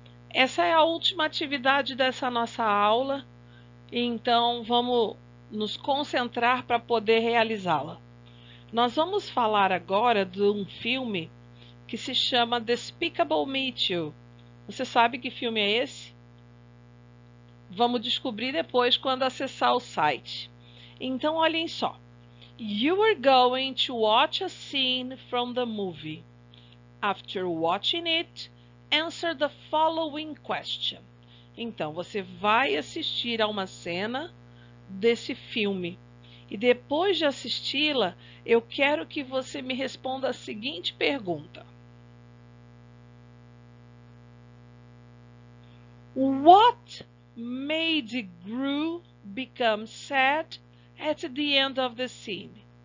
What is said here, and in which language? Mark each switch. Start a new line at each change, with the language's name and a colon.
Portuguese: Essa é a última atividade dessa nossa aula, então vamos nos concentrar para poder realizá-la. Nós vamos falar agora de um filme que se chama Despicable Me 2. Você sabe que filme é esse? Vamos descobrir depois quando acessar o site. Então, olhem só.
English: You are going to watch a scene from the movie. After watching it, answer the following question.
Portuguese: Então, você vai assistir a uma cena desse filme. E depois de assisti-la, eu quero que você me responda a seguinte pergunta:
English: What made Gru become sad at the end of the scene?